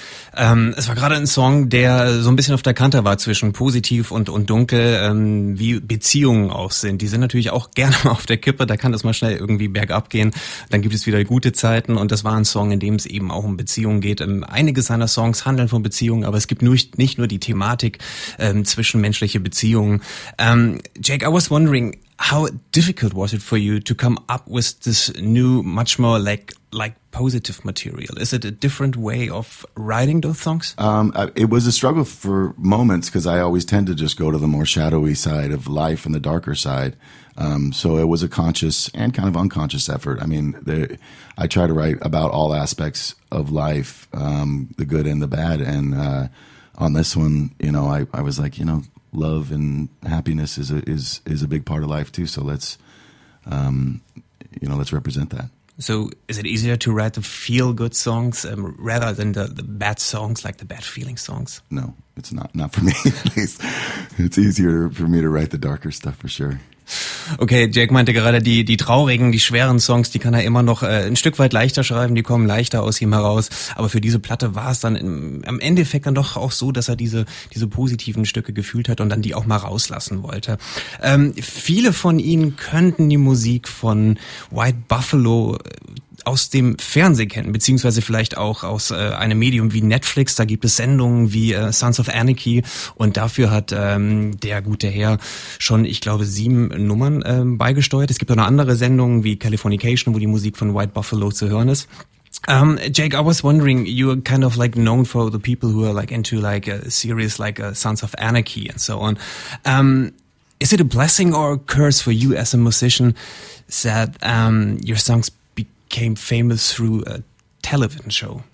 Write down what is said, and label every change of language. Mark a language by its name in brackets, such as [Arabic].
[German] Es war gerade ein Song, der so ein bisschen auf der Kante war zwischen positiv und dunkel, wie Beziehungen auch sind. Die sind natürlich auch gerne auf der Kippe, da kann das mal schnell irgendwie bergab gehen. Dann gibt es wieder gute Zeiten und das war ein Song, in dem es eben auch um Beziehungen geht. Einige seiner Songs handeln von Beziehungen, aber es gibt nicht nur die Thematik zwischenmenschliche Beziehungen. [English] Jake, I was wondering, how difficult was it for you to come up with this new, much more like positive material? Is it a different way of writing those songs? It was a struggle for moments because I always tend to just go to the more shadowy side of life and the darker side. So it was a conscious and kind of unconscious effort. I mean, I try to write about all aspects of life, the good and the bad. And on this one, you know, I was like, you know, love and happiness is a big part of life too. So let's represent that. So is it easier to write the feel good songs rather than the bad songs, like the bad feeling songs? No, it's not for me. At least it's easier for me to write the darker stuff for sure. [German] Okay, Jake meinte gerade, die traurigen, die schweren Songs, die kann er immer noch ein Stück weit leichter schreiben, die kommen leichter aus ihm heraus. Aber für diese Platte war es dann am Endeffekt dann doch auch so, dass er diese positiven Stücke gefühlt hat und dann die auch mal rauslassen wollte. Viele von ihnen könnten die Musik von White Buffalo aus dem Fernsehen kennen, beziehungsweise vielleicht auch aus einem Medium wie Netflix. Da gibt es Sendungen wie Sons of Anarchy und dafür hat der gute Herr schon, ich glaube, 7 Nummern beigesteuert. Es gibt auch noch andere Sendungen wie Californication, wo die Musik von White Buffalo zu hören ist. [English] Jake, I was wondering, you're kind of like known for the people who are like into like a series like Sons of Anarchy and so on. Is it a blessing or a curse for you as a musician that your songs became famous through a television show?